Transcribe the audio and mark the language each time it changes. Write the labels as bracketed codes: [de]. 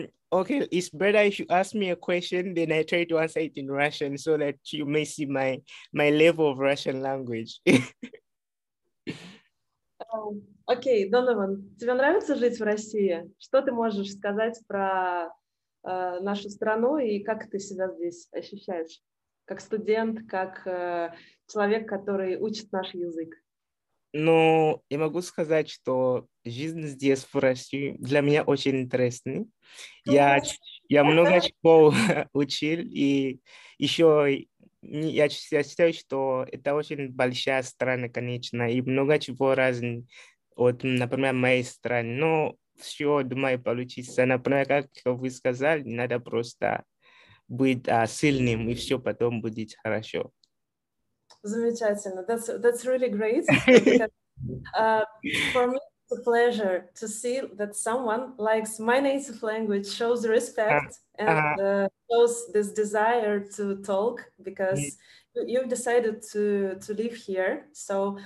[en] Okay, it's better if you ask me a question, then I try to answer it in Russian so that you may see my level of Russian language. [ru] Окей, Донован, тебе нравится жить в России? Что ты можешь сказать про нашу страну и как ты себя здесь ощущаешь? Как студент, как человек, который учит наш язык? Ну, я могу сказать, что жизнь здесь в России для меня очень интересна. Я много чего учил, и еще я считаю, что это очень большая страна, конечно, и много чего разного. Вот, например, моей стране. Но все, думаю, получится. Например, как вы сказали, надо просто быть сильным, и все потом будет хорошо. Замечательно. [en] That's really great. For me, it's a pleasure to see that someone likes my native language, shows respect, and shows this desire to talk, because you've decided to live here. So